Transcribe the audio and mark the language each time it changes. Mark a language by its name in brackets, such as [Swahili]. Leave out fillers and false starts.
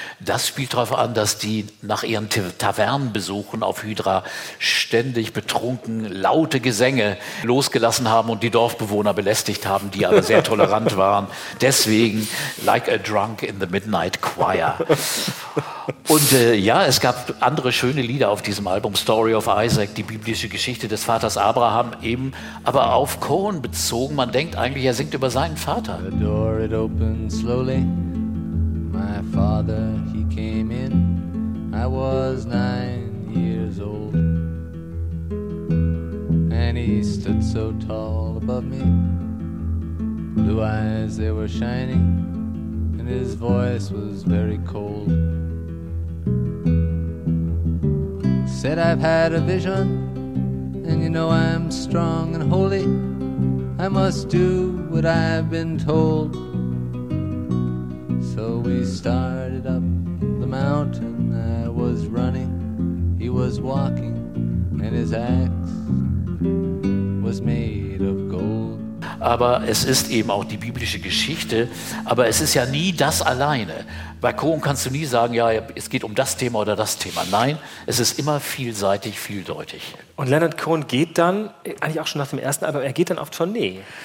[German] Das spielt darauf an, dass die nach ihren Tavernenbesuchen auf Hydra ständig betrunken laute Gesänge losgelassen haben und die Dorfbewohner belästigt haben, die aber sehr tolerant waren. Deswegen Like a Drunk in the Midnight Choir. Und ja, es gab andere schöne Lieder auf diesem Album. Story of Isaac, die biblische Geschichte des Vaters Abraham, eben aber auf Cohen bezogen. Man denkt eigentlich, er singt über seinen Vater. [English] The door it opened slowly. My father, he came in. I was 9 years old. And he stood so tall above me. Blue eyes, they were shining. And his voice was very cold. Said I've had a vision, and you know I'm strong and holy. I must do what I've been told. So we started up the mountain. I was running, he was walking, and his axe was made of gold. [German] Aber es ist eben auch die biblische Geschichte, aber es ist ja nie das alleine. Bei Cohen kannst du nie sagen, ja, es geht um das Thema oder das Thema. Nein, es ist immer vielseitig, vieldeutig. Und Leonard Cohen geht dann, eigentlich auch schon nach dem ersten Album, er geht dann auf Tournee.